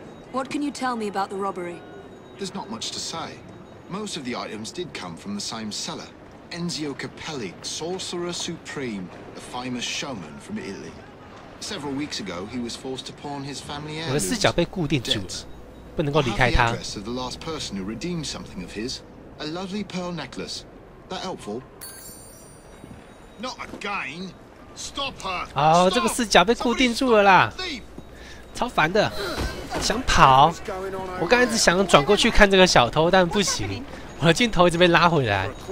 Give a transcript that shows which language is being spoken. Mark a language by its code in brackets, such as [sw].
[en] What can you tell me about the robbery? There's not much to say. Most of the items did come from the same seller, Enzio Capelli, Sorcerer Supreme, a famous showman from Italy. Several weeks ago, he was forced to pawn his family heirloom. [zh] 我的视角被固定住了，不能够离开他。 [en] I have the address of the last person who redeemed something of his, a lovely pearl necklace. That helpful? Not again. Stop her. [zh] 哦，这个视角被固定住了啦，超烦的。想跑，我刚才一直想转过去看这个小偷，但不行，我的镜头一直被拉回来。